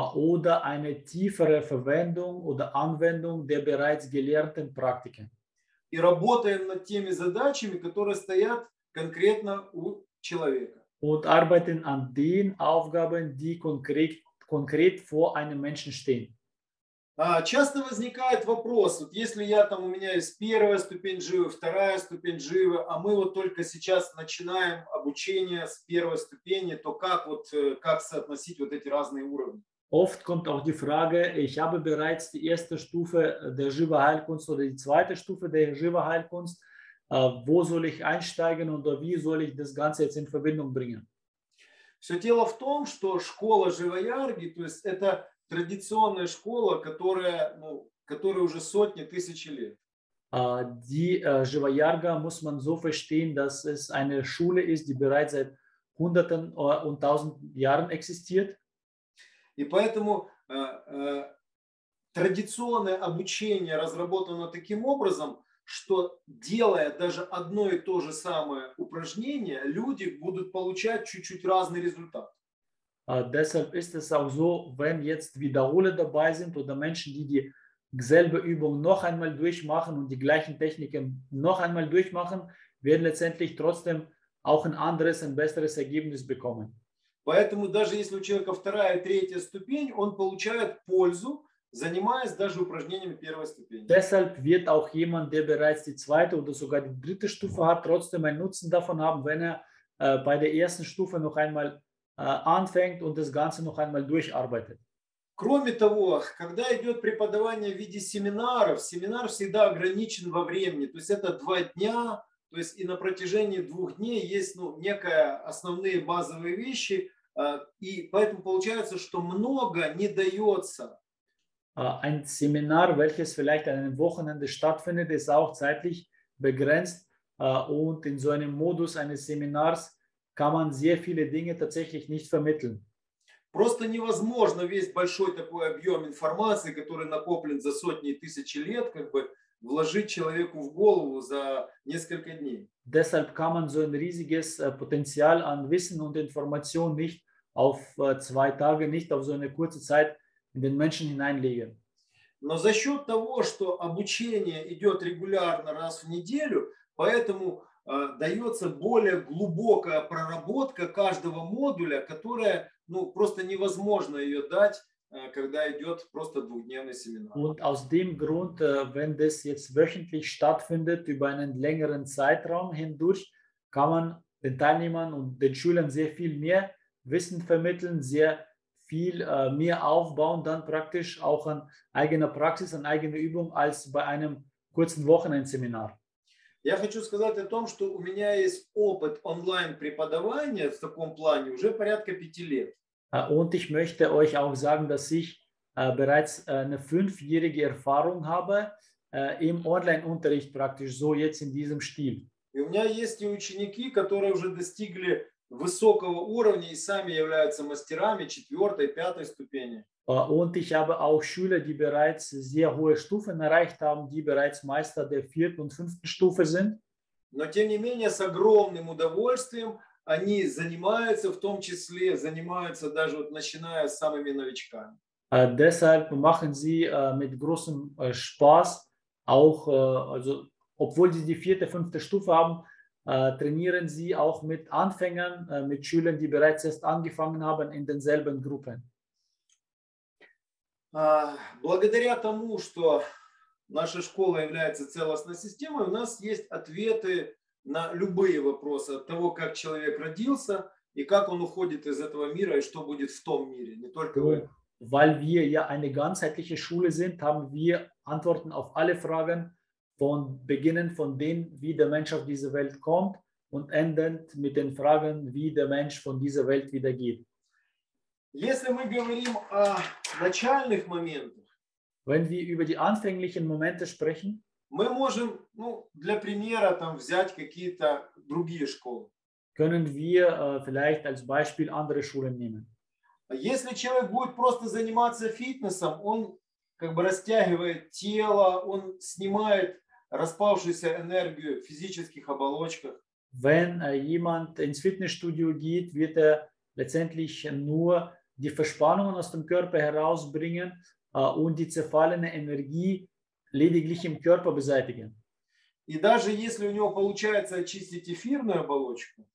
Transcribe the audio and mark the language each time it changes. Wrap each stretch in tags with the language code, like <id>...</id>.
<de>Oder eine tiefere Verwendung oder Anwendung der bereits gelernten Praktiken.</de> <ru>И работаем над теми задачами, которые стоят конкретно у человека.</ru> <de>Und arbeiten an den Aufgaben, die konkret vor einem Menschen stehen.</de> <ru>Часто возникает вопрос, вот если я там, у меня есть первая ступень живы, вторая ступень живы, а мы вот только сейчас начинаем обучение с первой ступени, то как соотносить вот эти разные уровни?</ru> <de>Oft kommt auch die Frage, ich habe bereits die erste Stufe der Jiva-Heilkunst oder die zweite Stufe der Jiva-Heilkunst. Wo soll ich einsteigen oder wie soll ich das Ganze jetzt in Verbindung bringen?</de> <ru>Все дело в том, что школа Живаярги, то есть это традиционная школа, которая уже сотни, тысячи лет.</ru> <de>Живаярга muss man so verstehen, dass es eine Schule ist, die bereits seit Hunderten und Tausenden Jahren existiert.</de> <ru>И поэтому традиционное обучение разработано таким образом, что делая даже одно и то же самое упражнение, люди будут получать чуть-чуть разный результат.</ru> <de>Deshalb ist es auch so, wenn jetzt Wiederholer dabei sind oder Menschen, die dieselbe Übung noch einmal durchmachen und die gleichen Techniken noch einmal durchmachen, werden letztendlich trotzdem auch ein anderes, ein besseres Ergebnis bekommen.</de> <ru>Поэтому даже если у человека вторая, третья ступень, он получает пользу, занимаясь даже упражнениями первой ступени.</ru> <de>Deshalb wird auch jemand, der bereits die zweite oder sogar die dritte Stufe hat, trotzdem einen Nutzen davon haben, wenn er bei der ersten Stufe noch einmal anfängt und das Ganze noch einmal durcharbeitet.</de> <ru>Кроме того, когда идет преподавание в виде семинаров, семинар всегда ограничен во времени, то есть это 2 дня, то есть и на протяжении 2 дней есть некие основные базовые вещи, и поэтому получается, что много не дается.</ru> <de>Ein Seminar, welches vielleicht an einem Wochenende stattfindet, ist auch zeitlich begrenzt und in so einem Modus eines Seminars kann man sehr viele Dinge tatsächlich nicht vermitteln.</de> <ru>Просто невозможно весь большой такой объем информации, который накоплен за сотни и тысячи лет, вложить человеку в голову за несколько дней.</ru> <de>Deshalb kann man so ein riesiges Potenzial an Wissen und Information nicht auf 2 Tage, nicht auf so eine kurze Zeit in den Menschen hineinlegen.</de> <ru>Но за счет того, что обучение идет регулярно раз в неделю, поэтому дается более глубокая проработка каждого модуля, которая, просто невозможно ее дать, когда идет просто 2-дневный семинар.</ru> <de>Und aus dem Grund, wenn das jetzt wöchentlich stattfindet, über einen längeren Zeitraum hindurch, kann man den Teilnehmern und den Schülern sehr viel mehr Wissen vermitteln, sehr viel mehr aufbauen, dann praktisch auch an eigener Praxis, an eigener Übung, als bei einem kurzen Wochenendseminar.</de> <ru>Я хочу сказать о том, что у меня есть опыт онлайн-преподавания в таком плане уже порядка 5 лет.</ru> <de>Und ich möchte euch auch sagen, dass ich bereits eine 5-jährige Erfahrung habe im Online-Unterricht praktisch so jetzt in diesem Stil.</de> <ru>И у меня есть и ученики, которые уже достигли высокого уровня и сами являются мастерами четвертой, пятой ступени.</ru> <de>Und ich habe auch Schüler, die bereits sehr hohe Stufen erreicht haben, die bereits Meister der vierten und fünften Stufe sind.</de> <ru>Но тем не менее с огромным удовольствием они занимаются, в том числе занимаются даже вот начиная с самыми новичками.</ru> <de>Deshalb machen sie mit großem Spaß auch, also obwohl sie die vierte, fünfte Stufe haben, trainieren sie auch mit Anfängern, mit Schülern, die bereits erst angefangen haben in denselben Gruppen.</de> <ru>Благодаря тому, что наша школа является целостной системой, у нас есть ответы на любые вопросы от того, как человек родился и как он уходит из этого мира и что будет в том мире, не только вы.</ru> <de>Weil wir ja eine ganzheitliche Schule sind, haben wir Antworten auf alle Fragen, von Beginnen von dem, wie der Mensch auf diese Welt kommt und endend mit den Fragen, wie der Mensch von dieser Welt wieder geht.</de> <ru>Если мы говорим о начальных моментах,</ru> <de>wenn wir über die anfänglichen Momente sprechen,</de> <ru>мы можем, ну, для примера, там, взять какие-то другие школы.</ru> <de>Können wir vielleicht als Beispiel andere Schulen nehmen.</de> <ru>Если человек будет просто заниматься фитнесом, он как бы растягивает тело, он снимает распавшуюся энергию в физических оболочках.</ru> <de>Wenn jemand ins Fitnessstudio geht, wird letztendlich nur die Verspannungen aus dem Körper herausbringen und die zerfallene Energie lediglich im Körper beseitigen.</de> <ru>И даже если у него получается очистить эфирную оболочку,</ru>